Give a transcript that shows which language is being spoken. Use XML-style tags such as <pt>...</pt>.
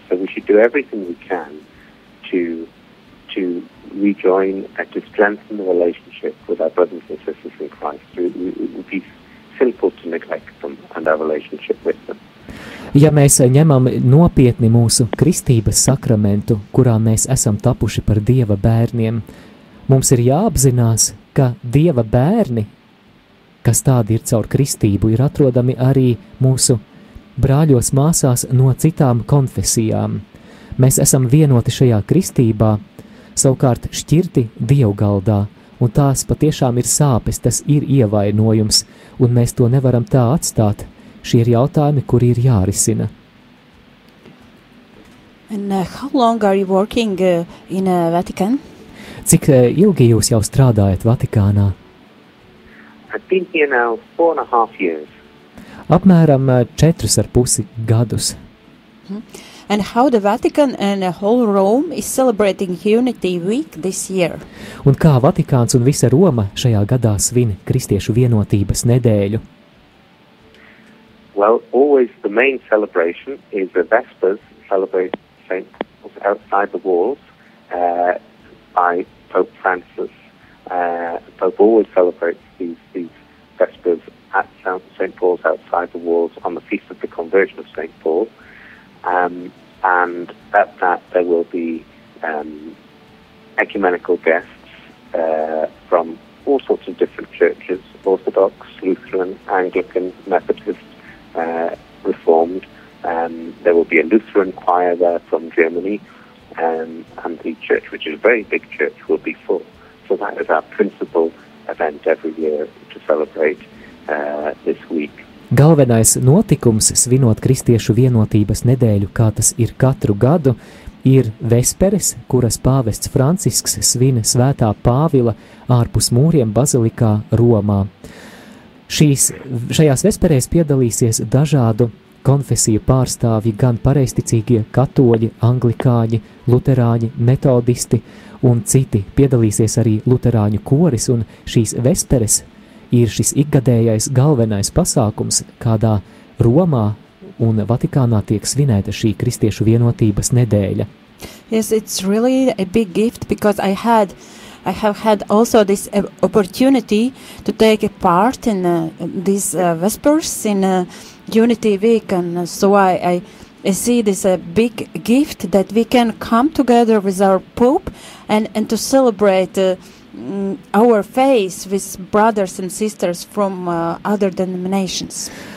<en>So we should do everything we can to rejoin and to strengthen the relationship with our brothers and sisters in Christ. It would be simple to neglect them and our relationship with them.</en> <lv>Ja mēs ņemam nopietni mūsu kristības sakramentu, kurā mēs esam tapuši par Dieva bērniem, mums ir jāapzinās, ka Dieva bērni, kas tādi ir caur kristību, ir atrodami arī mūsu brāļos, māsās no citām konfesijām. Mēs esam vienoti šajā kristībā, savukārt šķirti Dieva galdā, un tās patiešām ir sāpes, tas ir ievainojums, un mēs to nevaram tā atstāt. Šie ir jautājumi, kuri ir jārisina.</lv> <en>And how long are you working in Vatican?</en> <lv>Cik ilgi jūs jau strādājat Vatikānā?</lv> <en>I've been here now 4.5 years.</en> <lv>Apmēram 4.5 gadus.</lv> <en>And how the Vatican and the whole Rome is celebrating Unity Week this year?</en> <lv>Un kā Vatikāns un visa Roma šajā gadā svin kristiešu vienotības nedēļu?</lv> <en>Well, always the main celebration is the Vespers celebration. Saints outside the walls by Pope Francis. Pope always celebrates these Vespers at St. Paul's outside the walls on the Feast of the Conversion of St. Paul. And at that there will be ecumenical guests from all sorts of different churches, Orthodox, Lutheran, Anglican, Methodist, Reformed. There will be a Lutheran choir there from Germany, and the church, which is a very big church, will be full. So that is our principal event every year to celebrate this week.</en> <lv>Galvenais notikums, svinot kristiešu vienotības nedēļu, kā tas ir katru gadu, ir vesperes, kuras pāvests Francisks svin svētā Pāvila ārpus mūriem bazilikā Romā. Šajās vesperēs piedalīsies dažādu konfesiju pārstāvji, gan pareizticīgie katoļi, anglikāņi, luterāņi, metodisti un citi. Piedalīsies arī luterāņu koris, un šīs vesperes ir šis ikgadējais galvenais pasākums, kādā Romā un Vatikānā tiek svinēta šī kristiešu vienotības nedēļa.</lv> <en>Yes, it's really a big gift because I have had also this opportunity to take a part in these Vespers in Unity Week, and so I see this a big gift that we can come together with our Pope and to celebrate our faith with brothers and sisters from other denominations.</en>